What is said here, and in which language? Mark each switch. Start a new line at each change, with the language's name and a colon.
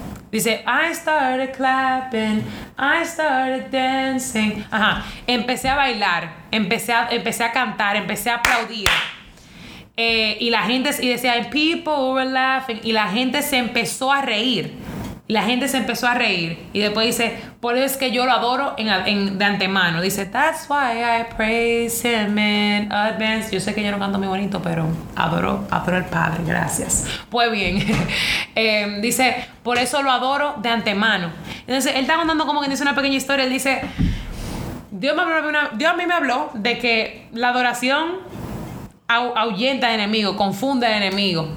Spanish: Dice,
English: I started clapping, I started dancing.
Spanish: Ajá, empecé a bailar, empecé a cantar, empecé a aplaudir. Y la gente, y decía,
English: people were laughing,
Spanish: y la gente se empezó a reír. La gente se empezó a reír y después dice, por eso es que yo lo adoro de antemano. Dice,
English: that's why I praise him in advance.
Spanish: Yo sé que yo no canto muy bonito, pero adoro al Padre, gracias. Pues bien, dice, por eso lo adoro de antemano. Entonces, él está contando como que dice una pequeña historia. Él dice, Dios a mí me habló de que la adoración ahuyenta al enemigo, confunde al enemigo.